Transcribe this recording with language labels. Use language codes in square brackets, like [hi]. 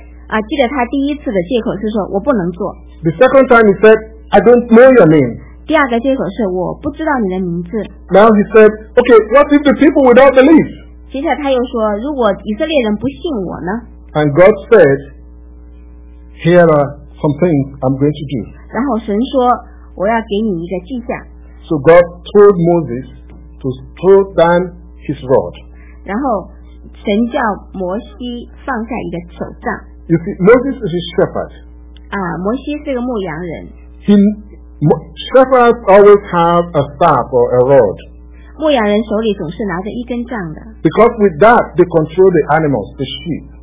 [zh] 记得他第一次的借口是说我不能做。 [en] The second time he said, I don't know your name. [zh] 第二个借口是我不知道你的名字。 [en] Now he said, okay, what if the people will not believe? [zh] 接下来他又说如果以色列人不信我呢？ [en] And God said, "Here are some things I'm going to do." [zh] 然后神说，我要给你一个迹象。 [en] So God told Moses to throw down his rod. [zh] 然后神叫摩西放下一个手杖。 [en] You see, Moses is a shepherd. [zh] 摩西是个牧羊人。 [en] Shepherds always have a staff or a rod. [zh] 牧羊人手里总是拿着一根杖的。 [en] Because with that, they control the animals, the sheep.